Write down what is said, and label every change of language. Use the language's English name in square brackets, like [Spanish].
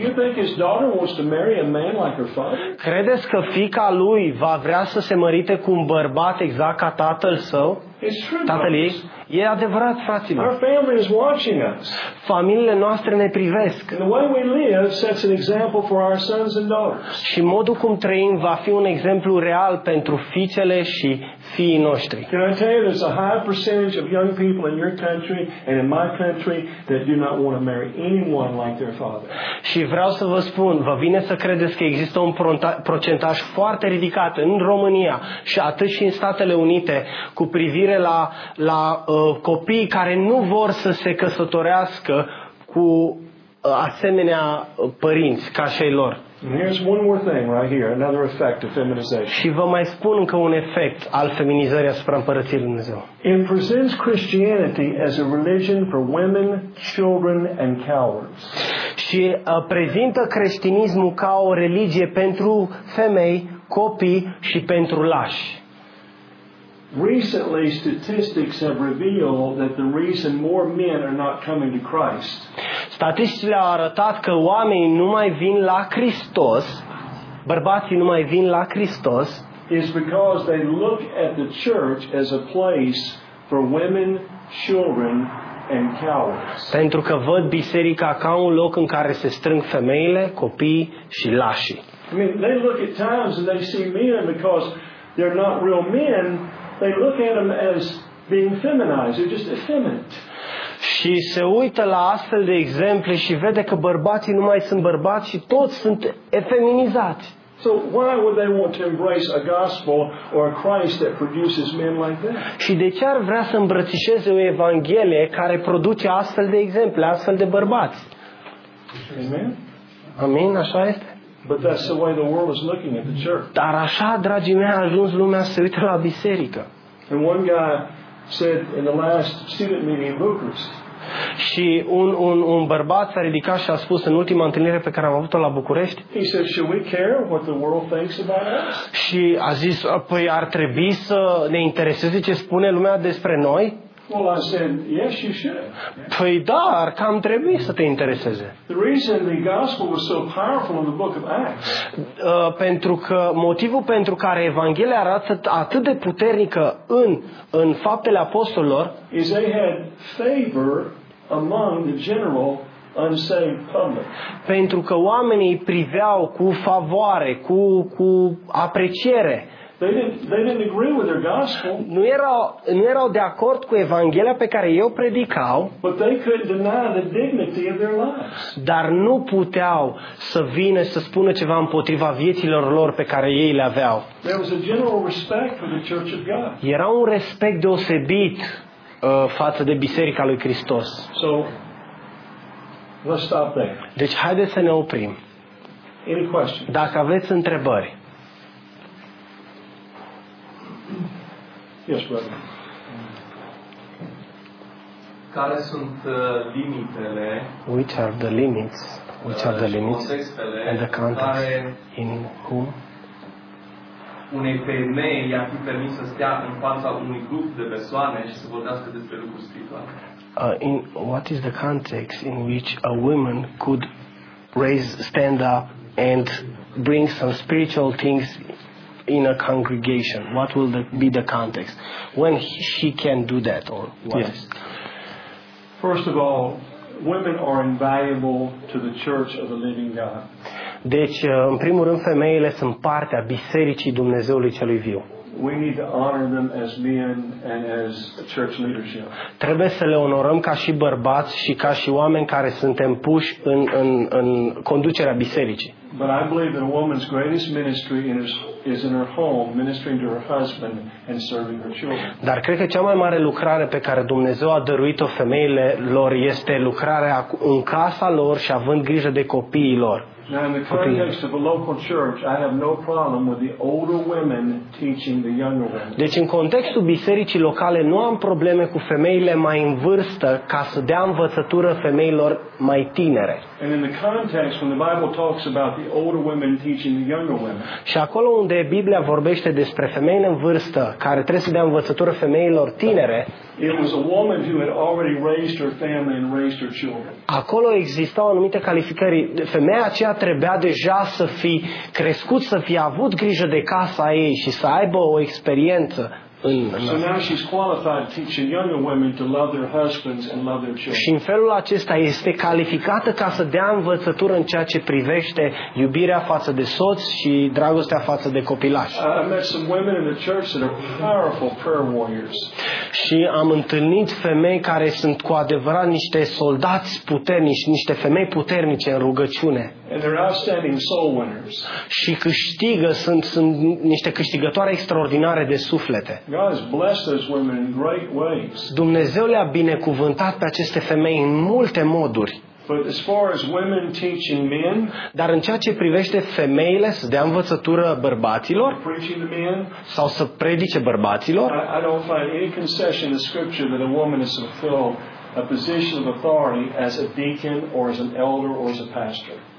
[English] Do you think his daughter wants to marry a man like her father? [Romanian] Credeți că fiica lui va vrea să se mărite cu un bărbat exact ca tatăl său? Tatăl ei? E adevărat, fraților. [English] Our family is watching us. [Romanian] Familiile noastre ne privesc. [English] And the way we live sets an example for our sons and daughters. [Romanian] Și modul cum trăim va fi un exemplu real pentru fiicele și fiii noștri. [English] Can I tell you, there's a high percentage of young people in your country and in my country that do not want to marry anyone like their father. [Romanian] Și vreau să vă spun, vă vine să credeți că există un procentaj foarte ridicat în România și atât și în Statele Unite cu privire la copiii care nu vor să se căsătorească cu asemenea părinți ca și ai lor. [English] Here's one more thing right here, another effect of feminization. [Romanian] Și vă mai spun încă un efect al feminizării asupra împărăției lui Dumnezeu. [English] It presents Christianity as a religion for women, children and cowards. [Romanian] Și prezintă creștinismul ca o religie pentru femei, copii și pentru lași. [English] Recently, statistics have revealed that the reason more men are not coming to Christ. [Romanian] Statisticile au arătat că oamenii nu mai vin la Hristos, bărbații nu mai vin la Hristos, [English] is because they look at the church as a place for women, children, and cowards. [Romanian] Pentru că văd biserica ca un loc în care se strâng femeile, copiii și lașii. [English] I mean, they look at times and they see men because they're not real men. They look at them as being feminized, they're just effeminate. [Romanian] Și se uită la astfel de exemple și vede că bărbații nu mai sunt bărbați și toți sunt efeminizați. [English] So why would they want to embrace a gospel or a Christ that produces men like that? [Romanian] Și de ce ar vrea să îmbrățișeze o evanghelie care produce astfel de exemple, astfel de bărbați? [English] Amen. [Romanian] Amen, așa este. [English] But that's the way the world is looking at the church. [Romanian] Dar așa, dragii mei, a ajuns lumea să se uite la biserică. [English] And one guy said in the last student meeting in Bucharest. [Romanian] Și un bărbat s-a ridicat și a spus în ultima întâlnire pe care am avut-o la București. [English] He said, "Should we care what the world thinks about us?" [Romanian] Și a zis, "Păi ar trebui să ne intereseze ce spune lumea despre noi?" [English] Well, I said, yes, you should. [Romanian] Păi da, ar cam trebui să te intereseze. [English] The reason the gospel was so powerful in the book of Acts. [Romanian] Pentru că motivul pentru care Evanghelia arată atât de puternică în Faptele Apostolilor [English] is they had favor among the general unsaved public. [Romanian] Pentru că oamenii priveau cu favoare, cu apreciere. [English] They didn't agree with their gospel. [Romanian] Nu erau de acord cu evanghelia pe care eu predicau. [English] But they couldn't deny the dignity of their lives. [Romanian] Dar nu puteau să vină să spună ceva împotriva vieților lor pe care ei le aveau. [English] There was a general respect for the church of God. [Romanian] Era un respect deosebit față de biserica lui Hristos. [English] So let's stop there. [Romanian] Deci haideți să ne oprim. [English] Any questions? [Romanian] Dacă aveți întrebări. [English] Yes, brother. [Romanian] Care sunt limitele? [English] Which are the limits? Which are the limits? And the context in whom? [Romanian] Unei femei i-ar fi permis să stea în fața unui grup de persoane și să vorbească despre lucruri spirituale. [English] In what is the context in which a woman could raise, stand up and bring some spiritual things in a congregation? What will be the context? When she can do that or what? Yes. First of all, women are invaluable to the church of the living God. [Romanian] Deci, în primul rând, femeile sunt parte a Bisericii Dumnezeului Celui Viu. [English] We need to honor them as men and as church leadership. [Romanian] Trebuie să le onorăm ca și bărbați și ca și oameni care suntem puși în conducerea bisericii. [English] But I believe that a woman's greatest ministry is in her home, ministering to her husband and serving her children. [Romanian] Dar cred că cea mai mare lucrare pe care Dumnezeu a dăruit-o femeile lor este lucrarea în casa lor și având grijă de copiii lor. [English] Now, in the context of a local church, I have no problem with the older women teaching the younger women. [Romanian] Deci, în contextul bisericii locale, nu am probleme cu femeile mai în vârstă ca să dea învățătură femeilor mai tinere. [English] And in the context when the Bible talks about the older women teaching the younger women. [Romanian] Și acolo unde Biblia vorbește despre femeile în vârstă care trebuie să dea învățătură femeilor tinere, [English] it was a woman who had already raised her family and raised her children. [Romanian] Acolo existau anumite calificări. Femeia aceea trebuia deja să fi crescut, să fi avut grijă de casa ei și să aibă o experiență. [English] So now she's qualified teaching younger women to love their husbands and love their children. [Romanian] Și în felul acesta este calificată ca să dea învățătură în ceea ce privește iubirea față de soț și dragostea față de copilași. [English] I've met some women in the church that are powerful prayer warriors. [Romanian] Și am întâlnit femei care sunt cu adevărat niște soldați puternici, niște femei puternice în rugăciune. [English] And they're outstanding soul winners. [Romanian] Și câștigă, sunt niște câștigătoare extraordinare de suflete. [English] God has blessed those women in great ways. [Romanian] Dumnezeu le-a binecuvântat pe aceste femei în multe moduri. [English] But as far as women teaching men, [Romanian] dar în ceea ce privește femeile să dea învățătură bărbaților sau să predice bărbaților, [English] I don't find any concession in the scripture that a woman is to fill a position of authority as a deacon or as an elder or as a pastor.